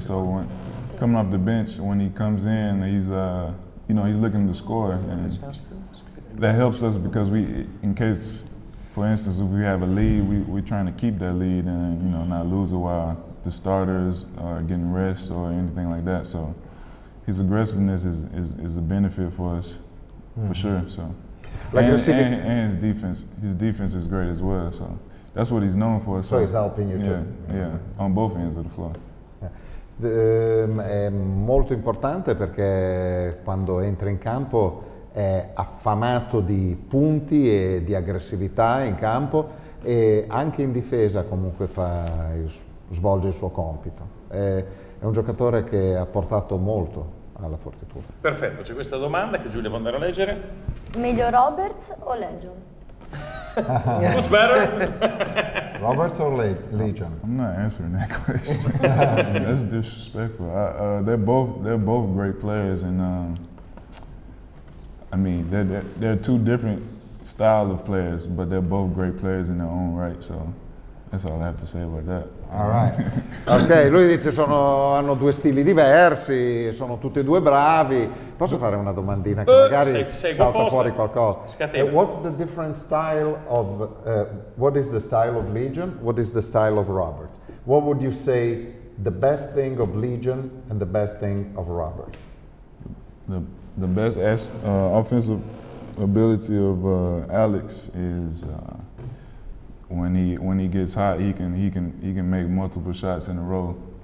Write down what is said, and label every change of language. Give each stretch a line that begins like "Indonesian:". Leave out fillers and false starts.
English: So when coming off the bench, when he comes in, he's looking to score, and that helps us because for instance, if we have a lead, we're trying to keep that lead and not lose it while the starters are getting rest or anything like that. So his aggressiveness is a benefit for us, mm-hmm. for sure. So and his defense is great as well. So. That's what he's known for. So he's helping you too. Yeah, on both ends of the floor.
Italian: È molto importante perché quando entra in campo è affamato di punti e di aggressività in campo e anche in difesa comunque svolge il suo compito. È un giocatore che ha portato molto alla Fortitudo. Perfetto, c'è questa domanda che Giulia può andare a leggere. Meglio Roberts o Legio?
English: Who's better? Roberts or Legion? I'm not answering that question. That's disrespectful. They're both great players, and they're two different style of players, but they're both great players in their own right. So that's all I have to say about that. All right. Okay.
Italian: Lui dice hanno due stili diversi, sono tutti e due bravi. Posso fare una domandina che magari salta fuori qualcosa?
English: What's the different style of what is the style of Legion? What is the style of Robert? What would you say the best thing of Legion and the best thing of Robert? The best offensive ability of Alex is when he gets hot, he can make multiple shots in a row.